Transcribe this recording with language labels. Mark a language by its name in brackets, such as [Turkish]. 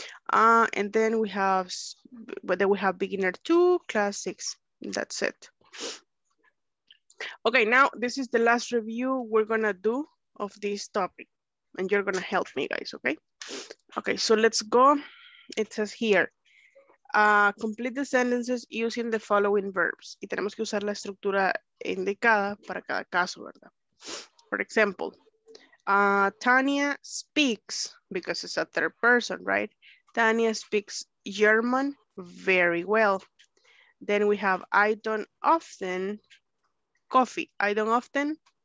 [English] And then we have, whether we have beginner two, class six, that's it. Okay, now this is the last review we're gonna do of this topic. And you're gonna help me, guys, okay? Okay, so let's go. It says here, complete the sentences using the following verbs. [Spanish] Y tenemos que usar la estructura indicada para cada caso, ¿verdad? [English] For example, Tanya speaks, because it's a third person, right? Tanya speaks German very well. Then we have, I don't often coffee. I don't often